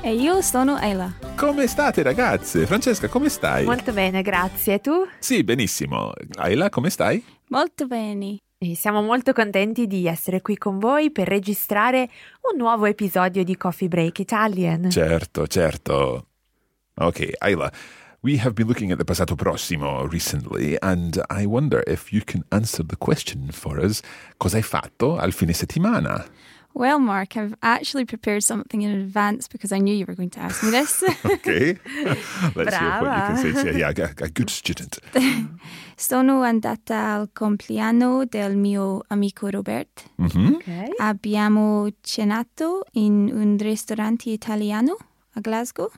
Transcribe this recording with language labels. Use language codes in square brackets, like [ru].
[it] E io sono Ella. Come state, ragazze? Francesca, come stai? Molto bene, grazie. E tu? Sì, benissimo. Ella, come stai? Molto bene. E siamo molto contenti di essere qui con voi per registrare un nuovo episodio di Coffee Break Italian. Certo, certo. [en] Ok, Ella, we have been looking at the passato prossimo recently, and I wonder if you can answer the question for us. [it] Cosa hai fatto al fine settimana? [en] Well, Mark, I've actually prepared something in advance because I knew you were going to ask me this. Okay. Let's Hear what you can say. Yeah, yeah, a good student. [it] Sono andata al compleanno del mio amico Robert. Mm-hmm. [en] Okay. [it] Abbiamo cenato in un ristorante italiano a Glasgow.